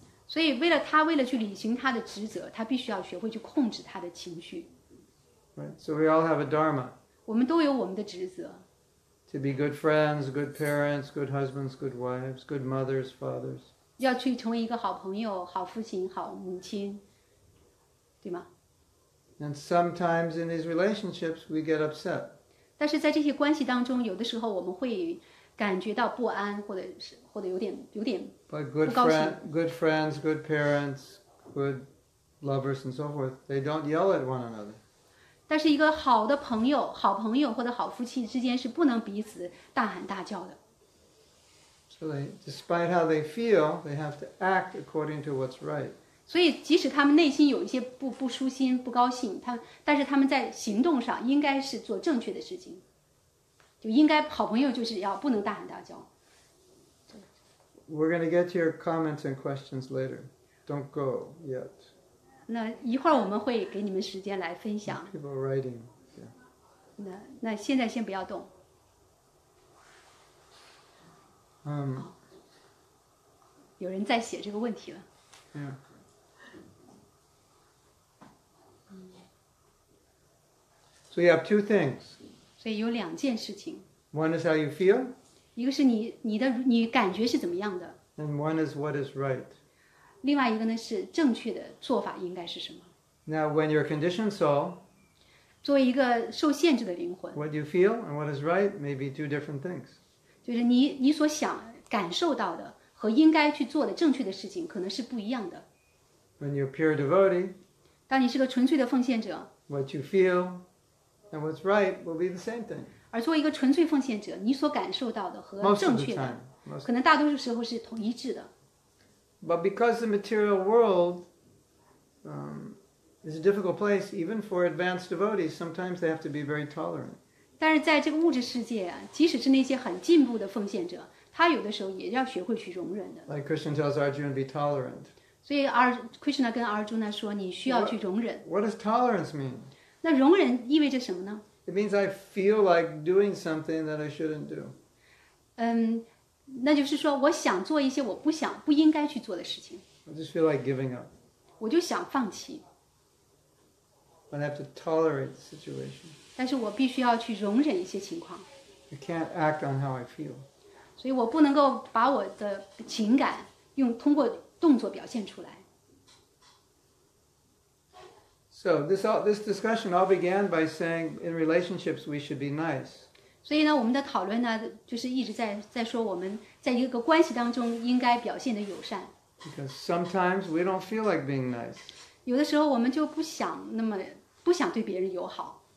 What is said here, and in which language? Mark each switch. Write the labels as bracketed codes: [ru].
[zh] 所以为了他为了去履行他的职责，他必须要学会去控制他的情绪。 [en] Right. So we all have a dharma. [zh] 我们都有我们的职责。 [en] To be good friends, good parents, good husbands, good wives, good mothers, fathers. [zh] 要去成为一个好朋友、好父亲、好母亲，对吗？ [en] And sometimes in these relationships, we get upset. [zh] 但是在这些关系当中，有的时候我们会感觉到不安，或者有点不高兴。 [en] But good friends, good parents, good lovers, and so forth, they don't yell at one another. [zh] 但是一个好的朋友、好朋友或者好夫妻之间是不能彼此大喊大叫的。 [en] So they, despite how they feel, they have to act according to what's right. [zh] 所以即使他们内心有一些不舒心、不高兴，但是他们在行动上应该是做正确的事情。就应该好朋友就是要不能大喊大叫。 [en] We're going to get to your comments and questions later. Don't go yet. [zh] 那一会儿我们会给你们时间来分享。 [en] People are writing. [zh] 那现在先不要动。有人在写这个问题了。 [en] Yeah. So you have two things. [zh] 所以有两件事情。 [en] One is how you feel. [zh] 一个是你感觉是怎么样的。 [en] And one is what is right. [zh] 另外一个呢是正确的做法应该是什么。 [en] Now when you're a conditioned soul. [zh] 作为一个受限制的灵魂。 [en] What you feel and what is right may be two different things. [zh] 就是你所想感受到的和应该去做的正确的事情可能是不一样的。 [en] When you're a pure devotee. [zh] 当你是个纯粹的奉献者。 [en] What you feel and what's right will be the same thing. [zh] 而作为一个纯粹奉献者，你所感受到的和正确的，可能大多数时候是同一致的。 [en] But because the material world, is a difficult place, even for advanced devotees, sometimes they have to be very tolerant. [zh] 但是在这个物质世界，即使是那些很进步的奉献者，他有的时候也要学会去容忍的。 [en] Like Krishna tells Arjuna, be tolerant. [zh] 所以Krishna 跟 Arjuna 说，你需要去容忍。 [en] What does tolerance mean? [zh] 那容忍意味着什么呢？ [en] It means I feel like doing something that I shouldn't do. [zh] 那就是说我想做一些我不想不应该去做的事情。 [en] I just feel like giving up. [zh] 我就想放弃。 [en] But I have to tolerate the situation. [zh] 但是我必须要去容忍一些情况。 [en] I can't act on how I feel. [zh] 所以我不能够把我的情感通过动作表现出来。 [en] So this discussion all began by saying in relationships we should be nice. [zh] 所以呢，我们的讨论呢，就是一直在说我们在一个关系当中应该表现的友善。 [en] Because sometimes we don't feel like being nice. [zh] 有的时候我们就不想对别人友好。